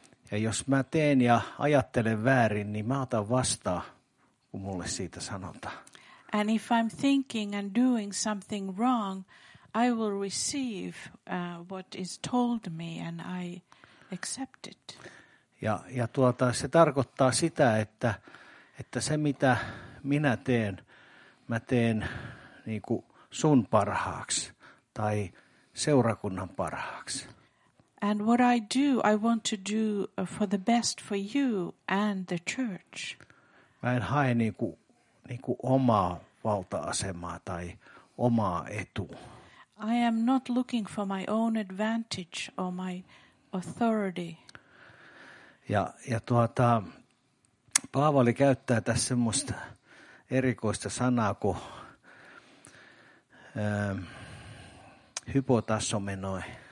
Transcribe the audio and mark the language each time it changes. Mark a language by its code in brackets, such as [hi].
[fi] Ja jos mä teen ja ajattelen väärin, niin mä otan vastaan, kun mulle siitä sanotaan. [en] And if I'm thinking and doing something wrong, I will receive what is told me and I accept it. [fi] Ja tuota se tarkoittaa sitä, että se mitä minä teen, mä teen niinku sun parhaaksi tai seurakunnan parhaaksi. [en] And what I do, I want to do for the best for you and the church. [fi] Mä en hae niinku omaa valta-asemaa tai omaa etua. [en] I am not looking for my own advantage or my authority. [fi] Ja tuota Paavali käyttää tässä semmoista erikoista sanaa kuin hypotassomenoi.